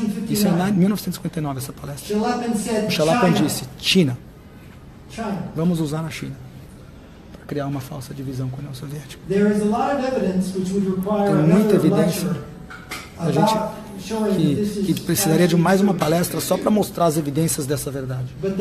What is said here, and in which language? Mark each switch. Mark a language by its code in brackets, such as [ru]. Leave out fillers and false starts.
[pt] Isso é em 1959, essa palestra. O Shalapin disse: China. Vamos usar na China para criar uma falsa divisão com a União Soviética. [en] There is a lot of evidence which would require [pt] Tem muita evidência a gente que precisaria de mais uma palestra só para mostrar as evidências dessa verdade.